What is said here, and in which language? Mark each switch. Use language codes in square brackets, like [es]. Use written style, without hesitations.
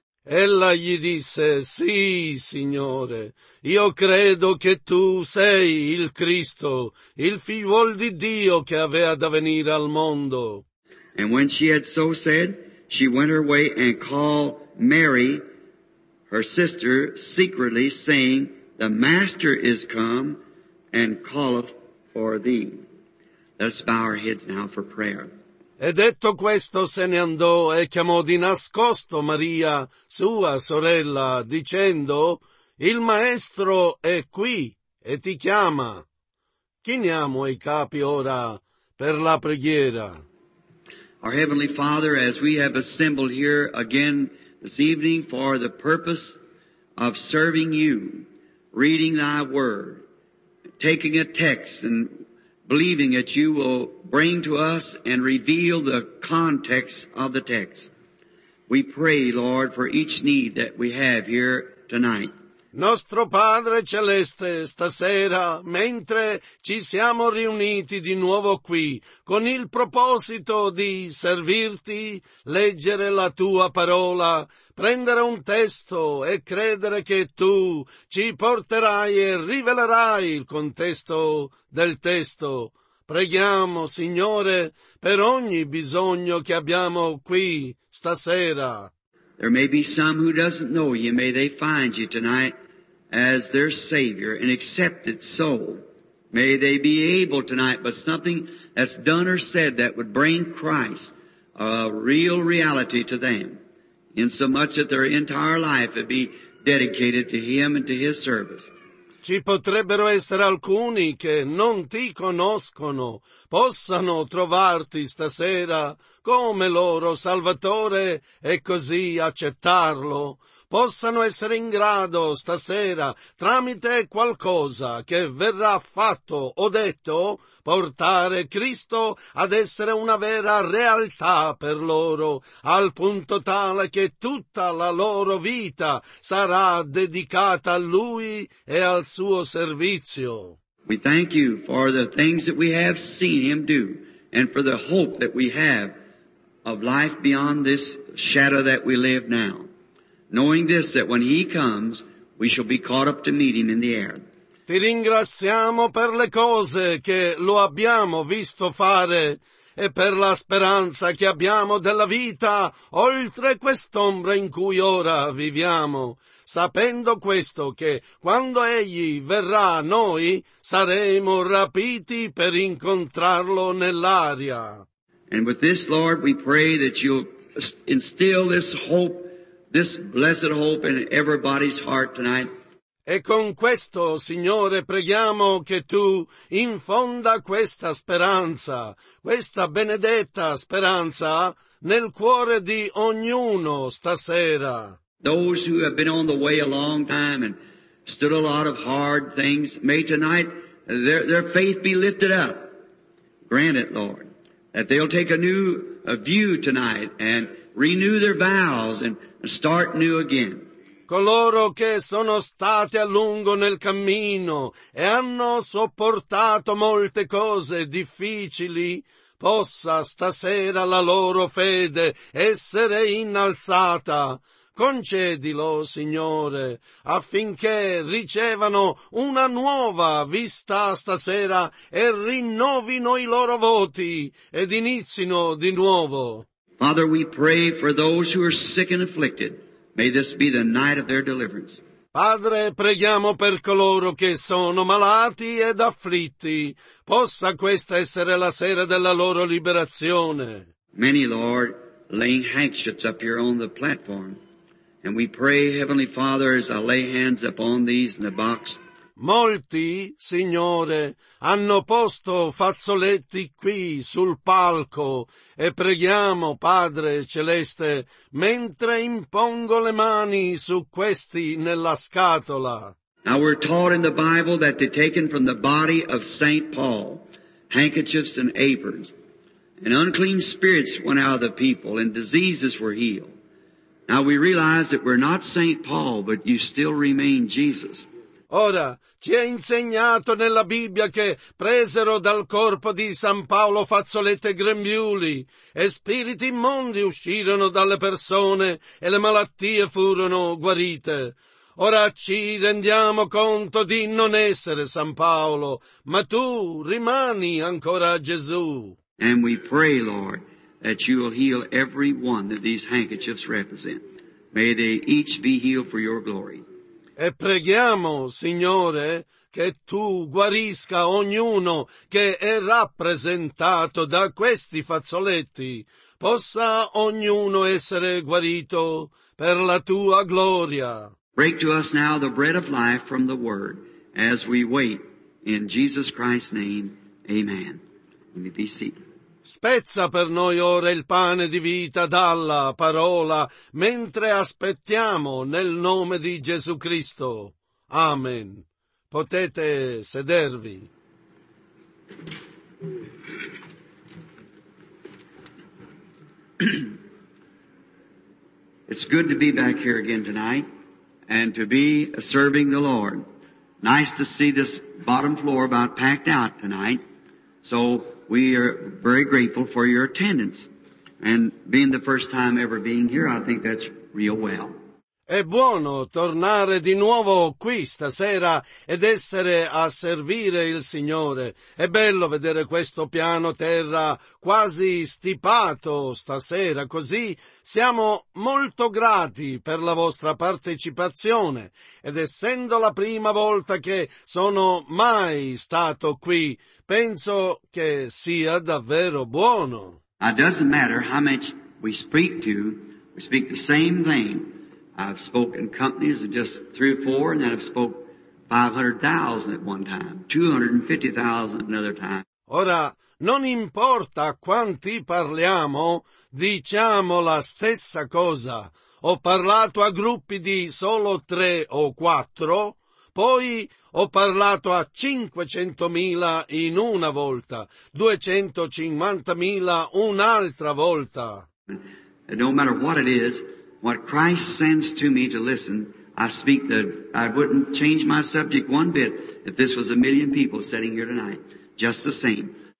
[it] Ella gli disse, Sì, Signore, io credo che tu sei il Cristo, il figliuol di Dio che avea da venire al mondo. [en] And when she had so said, she went her way and called Mary, her sister, secretly, saying, The Master is come and calleth for thee. Let's bow our heads now for prayer. [it] E detto questo se ne andò e chiamò di nascosto Maria, sua sorella, dicendo, Il Maestro è qui e ti chiama. Chiniamo i capi ora per la preghiera. [en] Our Heavenly Father, as we have assembled here again this evening for the purpose of serving you, reading thy word, taking a text and believing that you will bring to us and reveal the context of the text, we pray, Lord, for each need that we have here tonight. [it] Nostro Padre Celeste, stasera, mentre ci siamo riuniti di nuovo qui, con il proposito di servirti, leggere la Tua parola, prendere un testo e credere che Tu ci porterai e rivelerai il contesto del testo, preghiamo, Signore, per ogni bisogno che abbiamo qui, stasera. [en] There may be some who doesn't know You. May they find You tonight as their Savior, an accepted soul. May they be able tonight, but something that's done or said that would bring Christ a real reality to them, in so much that their entire life would be dedicated to Him and to His service. [it] Ci potrebbero essere alcuni che non Ti conoscono, possano trovarti stasera come loro Salvatore e così accettarlo. Possano essere in grado stasera, tramite qualcosa che verrà fatto o detto, portare Cristo ad essere una vera realtà per loro, al punto tale che tutta la loro vita sarà dedicata a Lui e al Suo servizio. [en] We thank You for the things that we have seen Him do, and for the hope that we have of life beyond this shadow that we live now. Knowing this, that when He comes, we shall be caught up to meet Him in the air. [it] Ti ringraziamo per le cose che lo abbiamo visto fare e per la speranza che abbiamo della vita oltre quest'ombra in cui ora viviamo, sapendo questo che quando Egli verrà a noi, saremo rapiti per incontrarlo nell'aria. [en] And with this, Lord, we pray that You instill this hope, this blessed hope in everybody's heart tonight. [it] E con questo, Signore, preghiamo che Tu infonda questa speranza, questa benedetta speranza, nel cuore di ognuno stasera. [en] Those who have been on the way a long time and stood a lot of hard things, may tonight their faith be lifted up. Grant it, Lord, that they'll take a new view tonight and renew their vows and start new again. [it] Coloro che sono stati a lungo nel cammino e hanno sopportato molte cose difficili, possa stasera la loro fede essere innalzata. Concedilo, Signore, affinché ricevano una nuova vista stasera e rinnovino i loro voti ed inizino di nuovo. [en] Father, we pray for those who are sick and afflicted. May this be the night of their deliverance. [it] Padre, preghiamo per coloro che sono malati ed afflitti. Possa questa essere la sera della loro liberazione. [en] Many, Lord, laying handkerchiefs up here on the platform. And we pray, Heavenly Father, as I lay hands upon these in the box. [it] Molti, Signore, hanno posto fazzoletti qui sul palco e preghiamo, Padre Celeste, mentre impongo le mani su questi nella scatola. [en] Now we're taught in the Bible that they're taken from the body of Saint Paul, handkerchiefs and aprons, and unclean spirits went out of the people and diseases were healed. Now we realize that we're not Saint Paul, but You still remain Jesus. [it] Ora, ci è insegnato nella Bibbia che presero dal corpo di San Paolo fazzolette e grembiuli, e spiriti immondi uscirono dalle persone, e le malattie furono guarite. Ora ci rendiamo conto di non essere San Paolo, ma Tu rimani ancora Gesù. [en] And we pray, Lord, that You will heal every one that these handkerchiefs represent. May they each be healed for Your glory. [it] E preghiamo, Signore, che Tu guarisca ognuno che è rappresentato da questi fazzoletti. Possa ognuno essere guarito per la Tua gloria. [en] Break to us now the bread of life from the Word as we wait in Jesus Christ's name. Amen. You may be seated. [it] Spezza per noi ora il pane di vita dalla parola, mentre aspettiamo nel nome di Gesù Cristo. Amen. Potete sedervi. [en] It's good to be back here again tonight, and to be serving the Lord. Nice to see this bottom floor about packed out tonight. So we are very grateful for your attendance. And being the first time ever being here, I think that's real well. [it] È buono tornare di nuovo qui stasera ed essere a servire il Signore. È bello vedere questo piano terra quasi stipato stasera, così siamo molto grati per la vostra partecipazione. Ed essendo la prima volta che sono mai stato qui, penso che sia davvero buono. [en] It doesn't matter how much we speak the same thing. I've spoken companies of just 3 or 4, and then I've spoke 500,000 at one time, 250,000 another time. [it] Ora, non importa quanti parliamo, diciamo la stessa cosa. Ho parlato a gruppi di solo 3 o 4, poi ho parlato a 500,000 in una volta, 250,000 un'altra volta. [en] And no matter what it is, what Christ sends to me to listen, I wouldn't change my subject one bit if this was 1,000,000 people sitting here tonight, just the same.